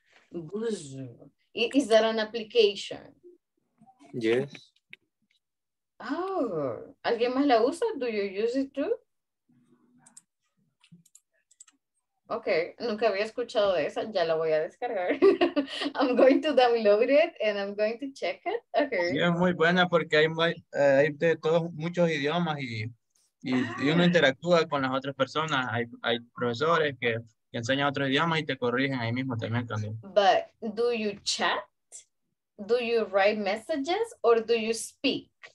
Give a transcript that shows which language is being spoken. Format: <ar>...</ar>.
<en>Buzu. Is that an application? Yes. Oh,</en> <es>¿alguien más la usa?</es> <en>Do you use it too?</en> <es>Ok, nunca había escuchado de esa, ya la voy a descargar.</es> <en>I'm going to download it and I'm going to check it. Okay.</en> <es>Sí, es muy buena porque hay de todos muchos idiomas y uno interactúa con las otras personas. Hay profesores que enseñan otros idiomas y te corrigen ahí mismo también.</es> <en>But do you chat? Do you write messages or do you speak?</en>